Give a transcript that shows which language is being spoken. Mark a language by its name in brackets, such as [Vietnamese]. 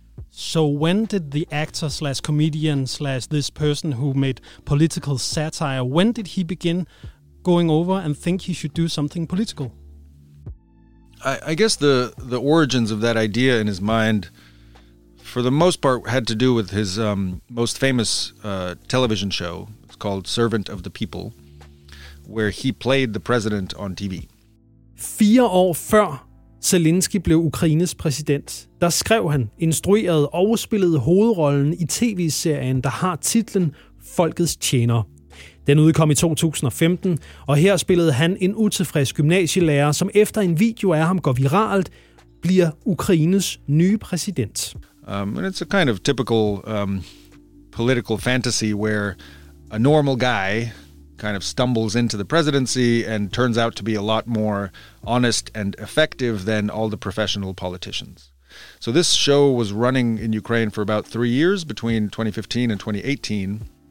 [English] So when did the actor slash comedian slash this person who made political satire, when did he begin going over and think he should do something political? I guess the origins of that idea in his mind, for the most part, had to do with his most famous television show. It's called Servant of the People, where he played the president on TV. [Danish] 4 år før Zelensky blev Ukraines præsident, der skrev han, instruerede og spillede hovedrollen i tv-serien, der har titlen Folkets Tjener. Den udkom i 2015, og her spillede han en utilfreds gymnasielærer, som efter en video af ham går viralt, bliver Ukraines nye præsident. [English] And it's a kind of typical political fantasy where a normal guy kind of stumbles into the presidency and turns out to be a lot more honest and effective than all the professional politicians. So this show was running in Ukraine for about 3 years, between 2015 and 2018.